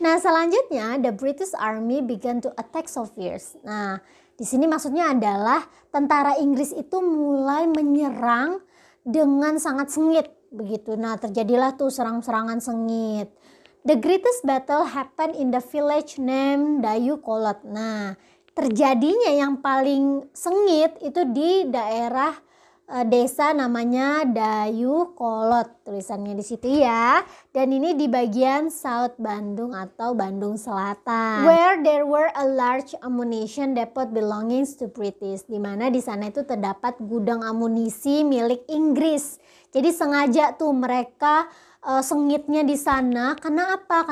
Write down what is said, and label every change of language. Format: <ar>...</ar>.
<en>Nah, selanjutnya the British Army began to attack so fierce.</en> <id>Nah, di sini maksudnya adalah tentara Inggris itu mulai menyerang dengan sangat sengit begitu. Nah, terjadilah tuh serang-serangan sengit.</id> <en>The greatest battle happened in the village named Dayukolot.</en> <id>Nah, terjadinya yang paling sengit itu di daerah desa namanya Dayukolot. Tulisannya di situ ya. Dan ini di bagian South Bandung atau Bandung Selatan.</id> <en>Where there were a large ammunition depot belonging to British.</en> <id>Di mana di sana itu terdapat gudang amunisi milik Inggris. Jadi sengaja tuh mereka sengitnya di sana. Karena apa?</id>